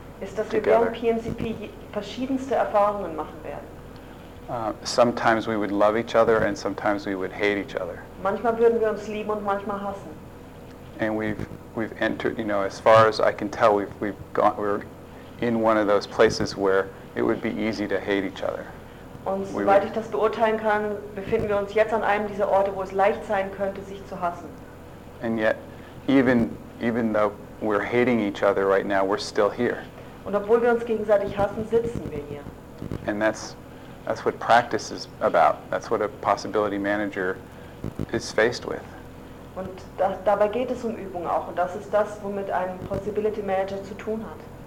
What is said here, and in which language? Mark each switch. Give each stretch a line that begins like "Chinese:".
German: ist, dass together. Wir während PMCP verschiedenste Erfahrungen machen werden.
English: Sometimes we would love each other and sometimes we would hate each other.
German: Manchmal würden wir uns lieben und manchmal hassen.
English: And we've entered, you know, as far as I can tell, we're in one of those places where it would be easy to hate each other.
German: Und soweit ich das beurteilen kann, befinden wir uns jetzt an einem dieser Orte, wo es leicht sein könnte, sich zu hassen.
English: And yet, even though we're hating each other right now, we're still here.
German: Und obwohl wir uns gegenseitig hassen, sitzen wir hier.
English: And that's what practice is about. That's what a possibility manager is faced with.
German: Und dabei geht es um Übung auch. Und das ist das, womit ein Possibility Manager zu tun hat.